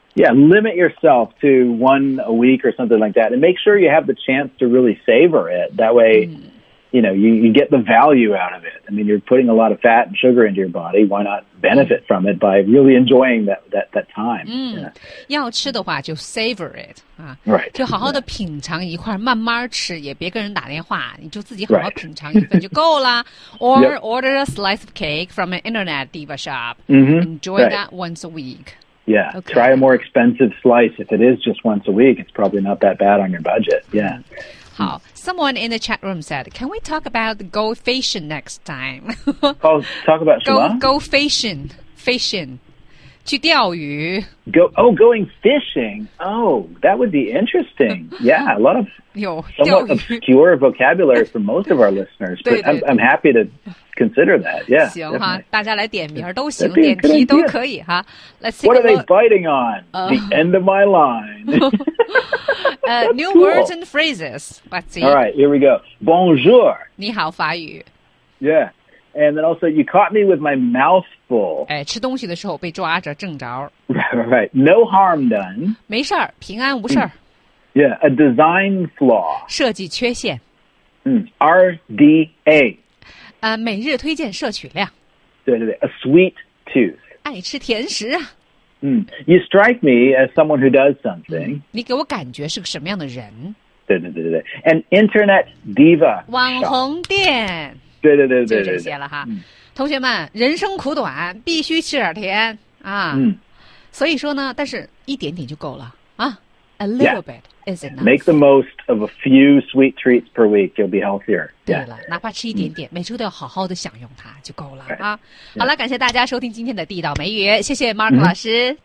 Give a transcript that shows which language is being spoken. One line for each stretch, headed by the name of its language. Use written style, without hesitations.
English: Yeah, limit yourself to one a week or something like that, and make sure you have the chance to really savor it. That way,、mm. you know, you get the value out of it. I mean, you're putting a lot of fat and sugar into your body. Why not benefit from it by really enjoying that time?、
Chinese: Mm. Yeah. 要吃的话就
English: savor it、 right.
Chinese: 就好好的品尝一块，慢慢吃，也别跟人打电话，你就自己好好品尝一份就够了。
English: Right. Or order a slice of cake from an internet diva shop.、 Mm-hmm. Enjoy、 that once a week. Yeah,、 okay. try a more expensive slice. If it is just once a week, it's probably not that bad on your budget. Yeah. 好 Someone in the chat room said, can we talk about goldfishing next time? Oh, talk about what? Goldfishing. Fishing.
Chinese: 去钓鱼
English: going fishing. Oh, that would be interesting. Yeah, a lot of somewhat obscure vocabulary for most of our listeners.
Chinese: 对对对
English: but I'm happy to... consider that, yeah.
Chinese: 行哈，大家来点名都行，点题都可以哈。
English: Let's What are they biting on? The end of my line. new words and phrases. Let's see. All right, here we go. Bonjour.
Chinese: 你好，法语。
English: Yeah, and then also you caught me with my mouth full.
Chinese: 哎，吃东西的时候被抓着正着。
English: Right, no harm done.
Chinese: 没事儿，平安无事儿。
English: Yeah, a design flaw.
Chinese: 设计缺陷。
English: RDA.
Chinese: 每日推荐摄取量。对对对
English: ，a sweet tooth.
Chinese: 爱吃甜食啊。
English: You strike me as someone who does something.
Chinese: 你给我感觉是个什么样的人？对对对对对 ，
English: An internet diva.
Chinese: 网红店。对对对对对，就这些了哈。同学们，人生苦短，必须吃点甜啊。所以说呢，但是一点点就够了啊。
English: A little bit is enough. Make the most of a few sweet treats per week. You'll be healthier.
Chinese: 对了，哪怕吃一点点，每周都要好好的享用它就够了啊。好了，感谢大家收听今天的地道美语，谢谢 Mark 老师。